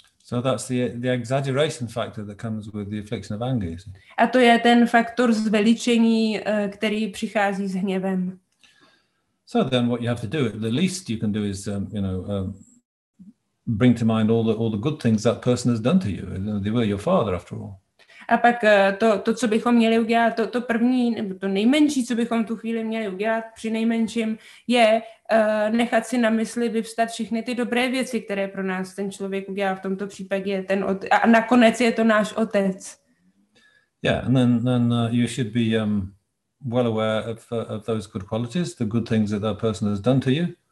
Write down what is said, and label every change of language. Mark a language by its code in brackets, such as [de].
[en] So that's the exaggeration factor that comes with the affliction of anger. [cs] A to je ten faktor zveličení, který přichází s hněvem. [en] So then what you have to do, the least you can do is, you know, bring to mind all the good things that person has done to you. They were your father, after all. [cs] A pak to, co bychom měli udělat, to první, nebo to nejmenší, co bychom tu chvíli měli udělat při nejmenším, je nechat si na mysli vyvstat všechny ty dobré věci, které pro nás ten člověk udělal v tomto případě. A nakonec je to náš otec. [en] Yeah, and then you should be well aware of those good qualities, the good things that person has done to you.